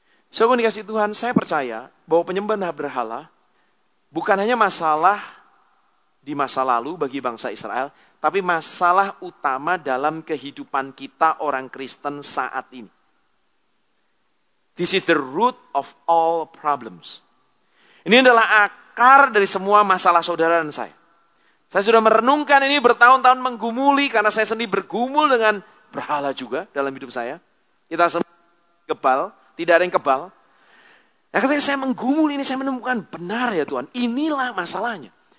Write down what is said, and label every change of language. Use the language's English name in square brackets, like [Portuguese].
[Indonesian] Sebelum dikasih Tuhan, saya percaya bahwa penyembahan berhala bukan hanya masalah di masa lalu bagi bangsa Israel, tapi masalah utama dalam kehidupan kita orang Kristen saat ini. [English] This is the root of all problems. [Indonesian] Ini adalah akar dari semua masalah saudara dan saya. Saya sudah merenungkan ini bertahun-tahun menggumuli karena saya sendiri bergumul dengan berhala juga dalam hidup saya. Kita semua kebal, tidak ada yang kebal. Nah, ketika saya menggumul ini, saya menemukan benar ya Tuhan, inilah masalahnya.